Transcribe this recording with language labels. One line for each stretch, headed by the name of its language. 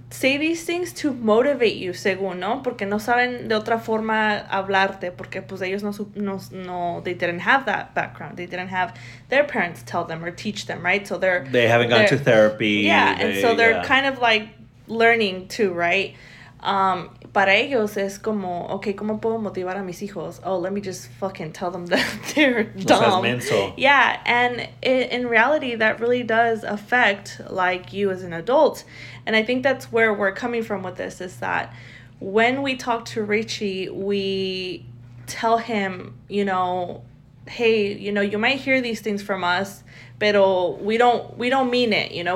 English: say these things to motivate you,
Spanish: según, ¿no? Porque no saben de otra forma hablarte, porque pues ellos no,
English: they didn't have that background. They didn't have their parents tell them or teach them, right? So they're... They haven't gone to therapy. Yeah, and so they're kind of like learning too, right?
Spanish: Para ellos es como, okay, ¿cómo puedo motivar a mis hijos?
English: Oh, let me just fucking tell them that they're dumb. Yeah, and in reality, that really does affect, like, you as an adult. And I think that's where we're coming from with this, is that when we talk to Richie, we tell him, you know, hey, you know, you might hear these things from us, but we don't mean it, you know.